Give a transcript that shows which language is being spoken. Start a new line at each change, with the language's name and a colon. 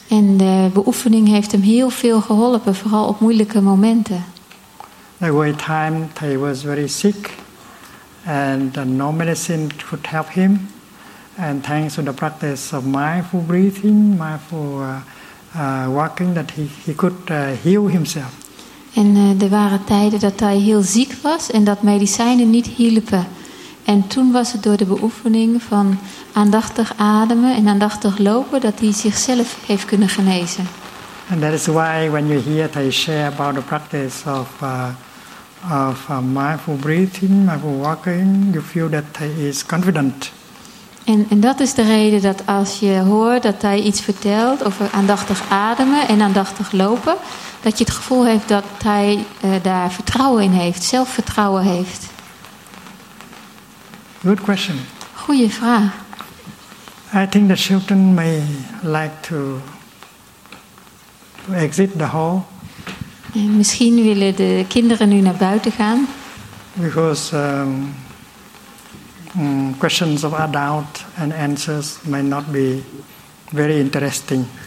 Dutch: En de beoefening heeft hem heel veel geholpen, vooral op moeilijke momenten.
English: There were times he was very sick and no medicine could help him. And thanks to the practice of mindful breathing, mindful walking, that he could heal himself.
Dutch: En er waren tijden dat hij heel ziek was en dat medicijnen niet hielpen. En toen was het door de beoefening van aandachtig ademen en aandachtig lopen dat hij zichzelf heeft kunnen genezen.
English: And that is why when you hear that he share about the practice of mindful breathing, mindful walking, you feel that he is confident.
Dutch: En dat is de reden dat als je hoort dat hij iets vertelt over aandachtig ademen en aandachtig lopen, dat je het gevoel hebt dat hij daar vertrouwen in heeft, zelfvertrouwen heeft.
English: Good question.
Dutch: Goeie vraag.
English: I think the children may like to exit the hall.
Dutch: Misschien willen de kinderen nu naar buiten gaan.
English: Because questions of adult and answers may not be very interesting.